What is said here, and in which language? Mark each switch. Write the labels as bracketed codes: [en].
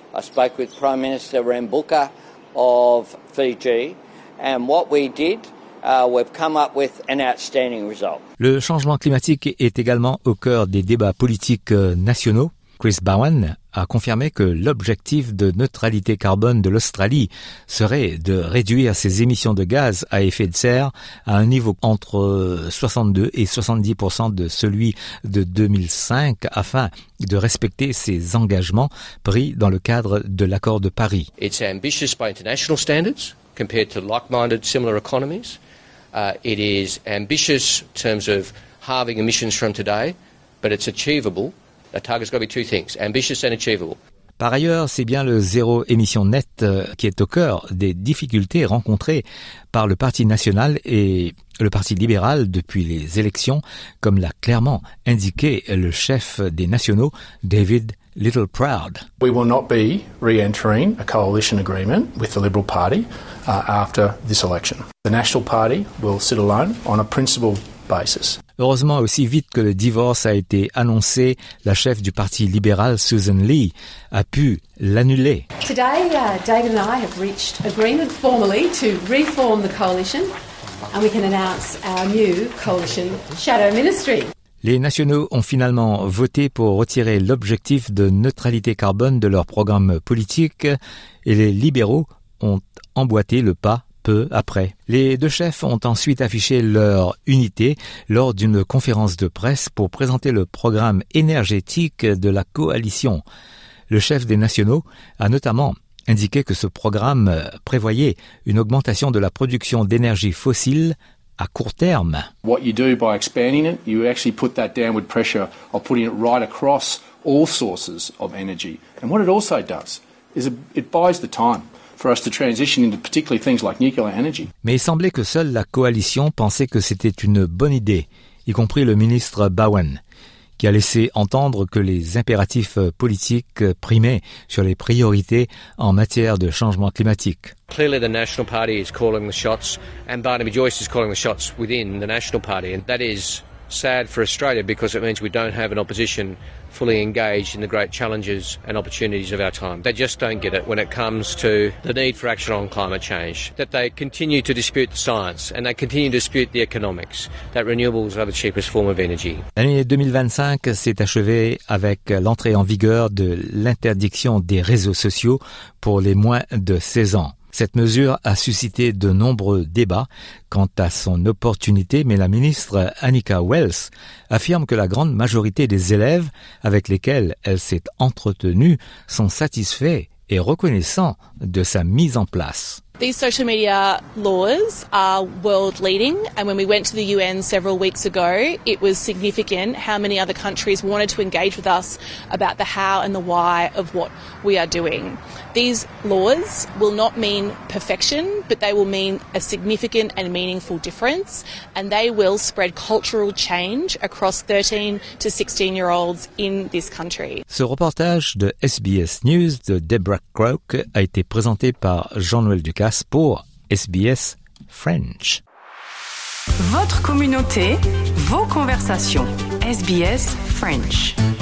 [en] I spoke with Prime Minister Rambuka of Fiji. And what we did, we've come up with an outstanding result. [fr] Le changement climatique est également au cœur des débats politiques nationaux. Chris Bowen a confirmé que l'objectif de neutralité carbone de l'Australie serait de réduire ses émissions de gaz à effet de serre à un niveau entre 62 et 70% de celui de 2005 afin de respecter ses engagements pris dans le cadre de l'accord de Paris. [en] It's ambitious by international standards compared to like-minded similar economies. It is ambitious in terms of halving emissions from today, but it's achievable. The target's got to be two things, ambitious and achievable. [fr] Par ailleurs, c'est bien le zéro émission nette qui est au cœur des difficultés rencontrées par le Parti national et le Parti libéral depuis les élections, comme l'a clairement indiqué le chef des nationaux, David Littleproud. [en] We will not be re-entering a coalition agreement with the Liberal Party after this election. The National Party will sit alone on a principled basis. [fr] Heureusement, aussi vite que le divorce a été annoncé, la chef du Parti libéral, Susan Lee, a pu l'annuler. [en] Today, David and I have reached agreement formally to reform the coalition and we can announce our new coalition shadow ministry. [fr] Les nationaux ont finalement voté pour retirer l'objectif de neutralité carbone de leur programme politique et les libéraux ont emboîté le pas. Peu après. Les deux chefs ont ensuite affiché leur unité lors d'une conférence de presse pour présenter le programme énergétique de la coalition. Le chef des nationaux a notamment indiqué que ce programme prévoyait une augmentation de la production d'énergie fossile à court terme. [en] What you do by expanding it, you actually put that downward pressure of putting it right across all sources of energy. And what it also does is it buys the time for us to transition into particularly things like nuclear energy. [fr] Mais il semblait que seule la coalition pensait que c'était une bonne idée, y compris le ministre Bowen, qui a laissé entendre que les impératifs politiques primaient sur les priorités en matière de changement climatique. [en] Clearly the National Party is calling the shots and Barnaby Joyce is calling the shots within the National Party, and that is sad for Australia because it means we don't have an opposition fully engaged in the great challenges and opportunities of our time. They just don't get it when it comes to the need for action on climate change, that they continue to dispute the science and they continue to dispute the economics, that renewables are the cheapest form of energy. [fr] L'année 2025 s'est achevée avec l'entrée en vigueur de l'interdiction des réseaux sociaux pour les moins de 16 ans. Cette mesure a suscité de nombreux débats quant à son opportunité, mais la ministre Annika Wells affirme que la grande majorité des élèves avec lesquels elle s'est entretenue sont satisfaits et reconnaissants de sa mise en place. [en] These social media laws are world leading, and when we went to the UN several weeks ago, it was significant how many other countries wanted to engage with us about the how and the why of what we are doing. These laws will not mean perfection, but they will mean a significant and meaningful difference, and they will spread cultural change across 13 to 16 year olds in this country. [fr] Ce reportage de SBS News de Deborah Croke a été présenté par Jean-Noël Ducasse pour SBS French. Votre communauté, vos conversations. SBS French.